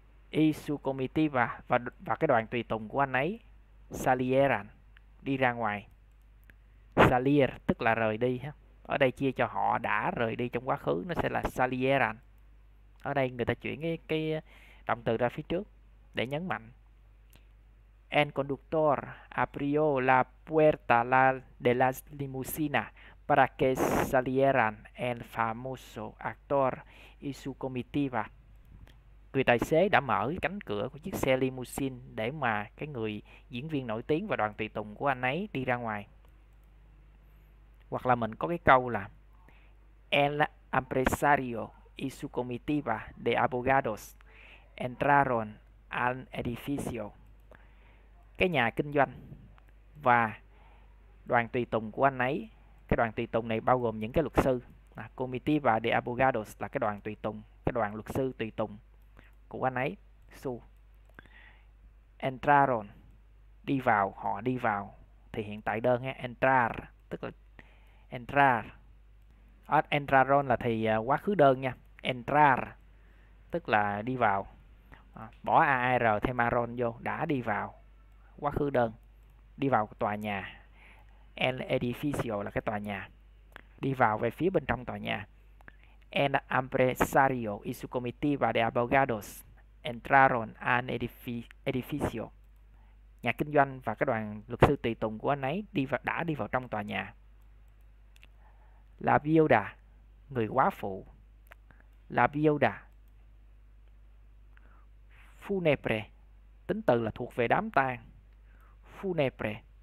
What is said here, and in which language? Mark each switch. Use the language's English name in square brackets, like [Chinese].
[Spanish] Y su comitiva [Vietnamese] và cái đoàn tùy tùng của anh ấy salieran đi ra ngoài. Salir tức là rời đi ha. Ở đây chia cho họ đã rời đi trong quá khứ nó sẽ là salieran. Ở đây người ta chuyển cái động từ ra phía trước để nhấn mạnh. [Spanish] El conductor abrió la puerta la de la limusina para que salieran el famoso actor y su comitiva. [Vietnamese] Người tài xế đã mở cánh cửa của chiếc xe limousine để mà cái người diễn viên nổi tiếng và đoàn tùy tùng của anh ấy đi ra ngoài. Hoặc là mình có cái câu là [Spanish] El empresario y su comitiva de abogados entraron al edificio. [Vietnamese] Cái nhà kinh doanh và đoàn tùy tùng của anh ấy. Cái đoàn tùy tùng này bao gồm những cái luật sư, [Spanish] comitiva de abogados [Vietnamese] là cái đoàn tùy tùng, cái đoàn luật sư tùy tùng của anh ấy, su. Entraron, đi vào, họ đi vào, thì hiện tại đơn nhé, entrar, tức là entrar. Entraron là thì quá khứ đơn nha, entrar, tức là đi vào, bỏ AR thêm aron vô, đã đi vào, quá khứ đơn, đi vào tòa nhà. [Spanish] El edificio [Vietnamese] là cái tòa nhà. Đi vào về phía bên trong tòa nhà. [Spanish] El empresario y su comitiva de abogados entraron al edificio. [Vietnamese] Nhà kinh doanh và cái đoàn luật sư tùy tùng của anh ấy đã đi vào trong tòa nhà. [Spanish] La viuda, [Vietnamese] người quá phụ. [Spanish] La viuda. [Vietnamese] Funebre, tính từ là thuộc về đám tang. Funebre.